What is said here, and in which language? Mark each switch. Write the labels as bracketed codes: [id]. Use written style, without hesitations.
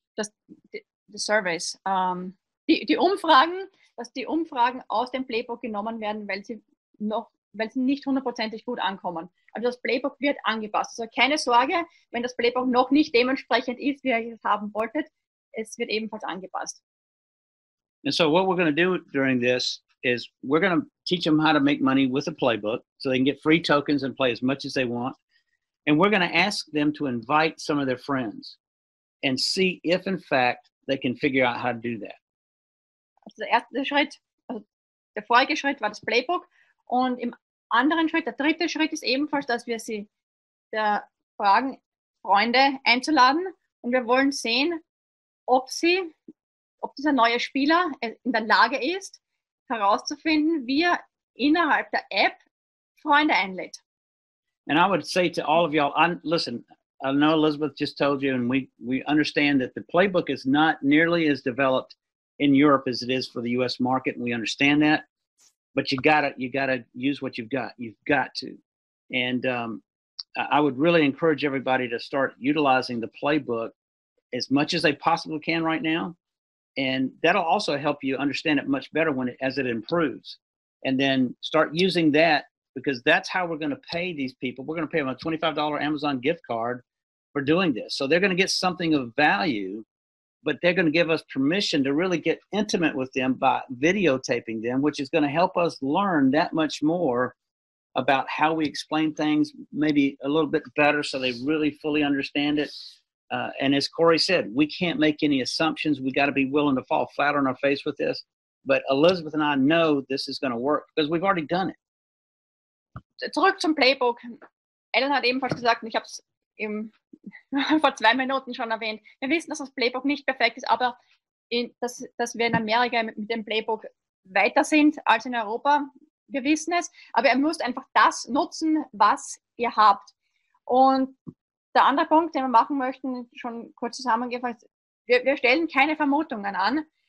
[en] The surveys. [de] Die Umfragen aus dem Playbook genommen werden, weil sie nicht hundertprozentig gut ankommen. Also das Playbook wird angepasst. Also keine Sorge, wenn das Playbook noch nicht dementsprechend ist, wie ihr es haben wolltet, es wird ebenfalls angepasst. [en] And so what we're going to do during this is we're going to teach them how to make money with the playbook so they can get free tokens and play as much as they want. And we're going to ask them to invite some of their friends and see if, in fact, they can figure out how to do that. [de] Also der erste Schritt, also der vorige Schritt war das Playbook. Und im anderen Schritt, der dritte Schritt ist ebenfalls, dass wir sie da fragen, Freunde einzuladen. Und wir wollen sehen, ob dieser neue Spieler in der Lage ist, herauszufinden, wie er innerhalb der App Freunde einlädt. [en] And I would say to all of y'all, listen, I know Elizabeth just told you, and we understand that the playbook is not nearly as developed in Europe as it is for the U.S. market, and we understand that. But you got to use what you've got. You've got to. And I would really encourage everybody to start utilizing the playbook as much as they possibly can right now. And that'll also help you understand it much better when it, as it improves. And then start using that, because that's how we're going to pay these people. We're going to pay them a $25 Amazon gift card for doing this. So they're going to get something of value, but they're going to give us permission to really get intimate with them by videotaping them, which is going to help us learn that much more about how we explain things, maybe a little bit better so they really fully understand it. And as Corey said, we can't make any assumptions. We got to be willing to fall flat on our face with this. But Elizabeth and I know this is going to work because we've already done it. [de] Zurück zum Playbook. Ellen hat ebenfalls gesagt, und ich habe es vor 2 Minuten schon erwähnt, wir wissen, dass das Playbook nicht perfekt ist, aber dass wir in Amerika mit dem Playbook weiter sind als in Europa, wir wissen es. Aber ihr müsst einfach das nutzen, was ihr habt. Und der andere Punkt, den wir machen möchten, schon kurz zusammengefasst, wir stellen keine Vermutungen an.